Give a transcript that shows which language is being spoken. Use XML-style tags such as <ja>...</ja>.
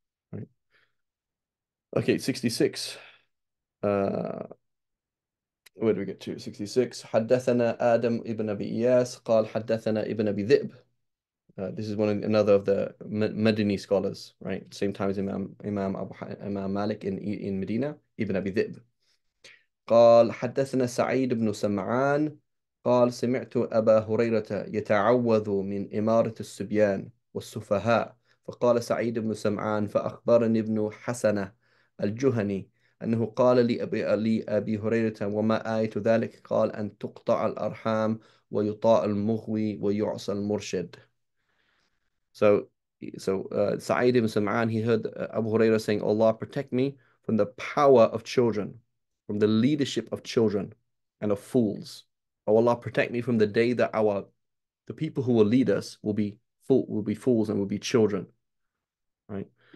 <en>Right. Okay, 66. Where do we get to? 66.</en> <ar>Hadathana Adam ibn Abi Iyas, qal hadathana ibn Abi Dhib.</ar> <en>This is another of the Madani scholars, right? Same time as Imam Malik in Medina, ibn Abi Dhib.</en> <ar>Qal hadathana Sa'id ibn Sam'an. قال سمعت أبا هريرة يتعوذ من إمارة الصبيان والسفهاء فقال سعيد بن سمعان فأخبرني ابن حسنة الجهني أنه قال لأبي هريرة وما آية ذلك قال أن تقطع الأرحام ويطاع المغوي ويعصى المرشد.</ar> <en>So سعيد بن سمعان, he heard Abu Huraira saying, Allah protect me from the power of children, from the leadership of children and of fools. Oh Allah, protect me from the day that the people who will lead us will be fools and will be children, right?</en>